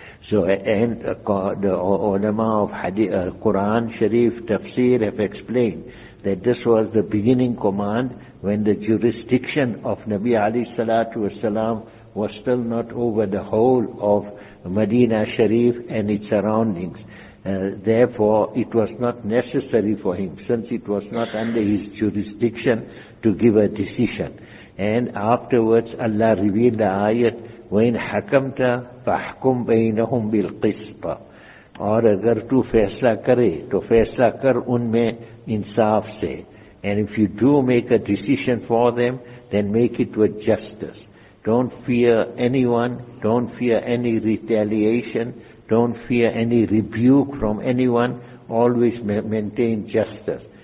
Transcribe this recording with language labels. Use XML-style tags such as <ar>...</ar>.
<en>So, and the ulama of hadith, Quran, Sharif, Tafsir have explained that this was the beginning command when the jurisdiction of Nabi alayhi salatu wasalam was still not over the whole of Medina Sharif and its surroundings. Therefore, it was not necessary for him, since it was not under his jurisdiction, to give a decision. And afterwards, Allah revealed the ayat,</en> <ar>وَإِنْ حَكَمْتَ فَحْكُمْ بَيْنَهُمْ بِالْقِسْطَ.</ar> <ur>اور اگر تو فیصلہ کرے تو فیصلہ کر ان میں انصاف سے.</ur> <en>And if you do make a decision for them, then make it with justice. Don't fear anyone, don't fear any retaliation, don't fear any rebuke from anyone, always maintain justice.</en>